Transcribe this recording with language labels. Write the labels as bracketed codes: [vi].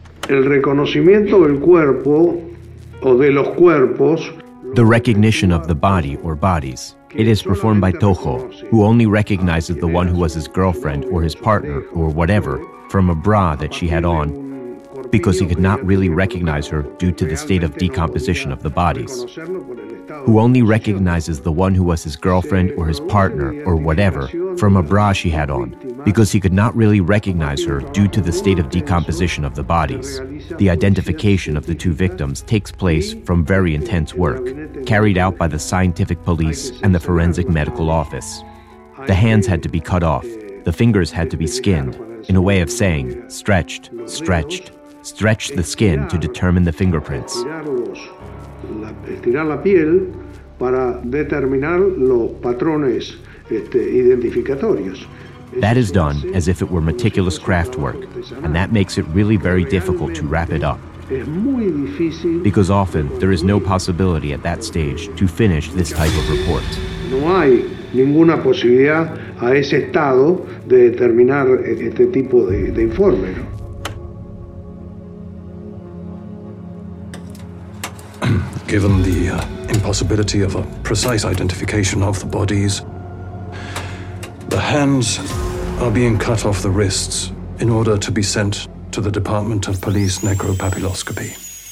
[es] El reconocimiento del cuerpo o de los cuerpos. [en] The recognition of the body or bodies. It is performed by Toho, who only recognizes the one who was his girlfriend or his partner or whatever from a bra that she had on, because he could not really recognize her due to the state of decomposition of the bodies. Who only recognizes the one who was his girlfriend or his partner or whatever from a bra she had on, because he could not really recognize her due to the state of decomposition of the bodies. The identification of the two victims takes place from very intense work, carried out by the scientific police and the forensic medical office. The hands had to be cut off, the fingers had to be skinned, in a way of saying, stretched, stretched, stretch the skin to determine the fingerprints. [es] Estirar la piel para determinar los patrones identificatorios. [en] That is done as if it were meticulous craft work, and that makes it really very difficult to wrap it up. Because often there is no possibility at that stage to finish this type of report. [es] No hay ninguna posibilidad a ese estado de determinar este tipo de informe. [en] Given the impossibility of a precise identification of the bodies, the hands are being cut off the wrists in order to be sent to the Department of Police Necropapilloscopy.